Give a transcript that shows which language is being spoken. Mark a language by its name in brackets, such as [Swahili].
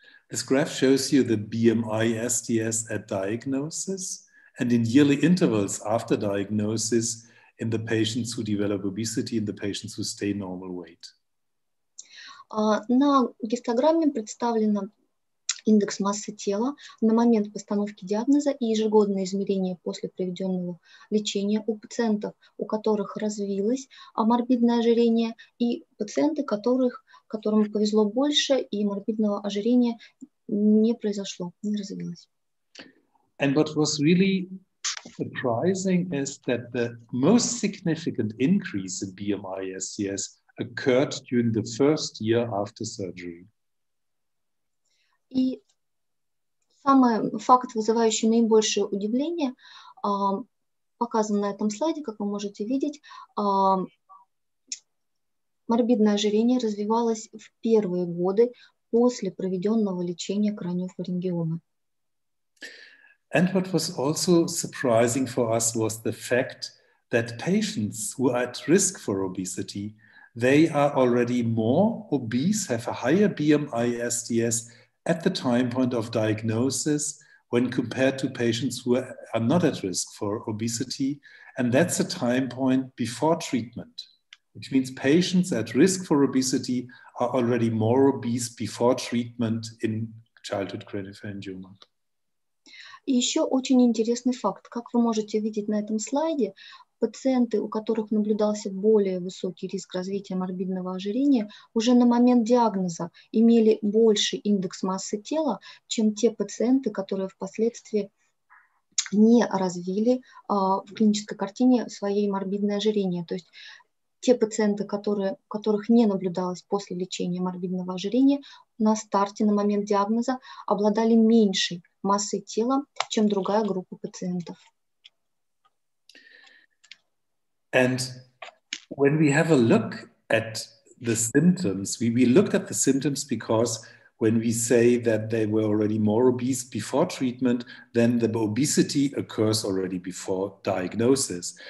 [English] This graph shows you the BMI SDS at diagnosis and in yearly intervals after diagnosis in the patients who develop obesity and the patients who stay normal weight. [Russian] На гистограмме представлено индекс массы тела на момент постановки диагноза и ежегодные измерения после проведенного лечения у пациентов, у которых развилось морбидное ожирение, и пациенты, которым повезло больше, и морбидного ожирения не произошло, не развилось. [English] And what was really surprising is that the most significant increase in BMI SDS occurred during the first year after surgery. [Russian] И самый факт, вызывающий наибольшее удивление, показан на этом слайде, как вы можете видеть, морбидное ожирение развивалось в первые годы после проведенного лечения краниофарингиомы. [English] And what was also surprising for us was the fact that patients who are at risk for obesity, they are already more obese, have a higher BMI SDS at the time point of diagnosis when compared to patients who are not at risk for obesity. And that's a time point before treatment, which means patients at risk for obesity are already more obese before treatment in childhood craniopharyngioma. [Russian] И еще очень интересный факт. Как вы можете видеть на этом слайде, пациенты, у которых наблюдался более высокий риск развития морбидного ожирения, уже на момент диагноза имели больший индекс массы тела, чем те пациенты, которые впоследствии не развили в клинической картине своей морбидное ожирение. То есть те пациенты, у которых не наблюдалось после лечения морбидного ожирения, на старте, на момент диагноза, обладали меньшей массой тела, чем другая группа пациентов. [English] And when we have a look at the symptoms, we looked at the symptoms because when we say that they were already more obese before treatment, then the obesity occurs already before diagnosis.